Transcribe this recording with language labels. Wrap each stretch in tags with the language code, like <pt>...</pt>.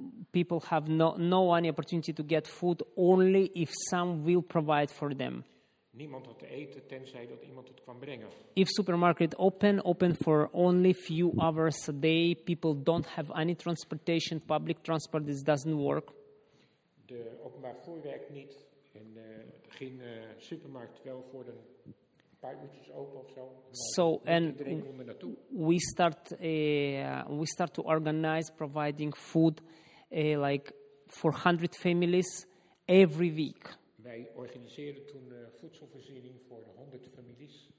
<en>People have no any opportunity to get food only if some will provide for them.</en> <nl>Niemand had te eten tenzij dat iemand het kwam brengen.</nl> <en>If supermarket open for only few hours a day, people don't have any transportation, public transport, this doesn't work.</en> <nl>De openbaar vervoer werkt niet en ging supermarkt wel voor een spuitjes open of zo.</nl> <en>So and we start to organize providing food like for 100 families every week.</en> <nl>Wij organiseerden toen voedselvoorziening voor 100 families.</nl>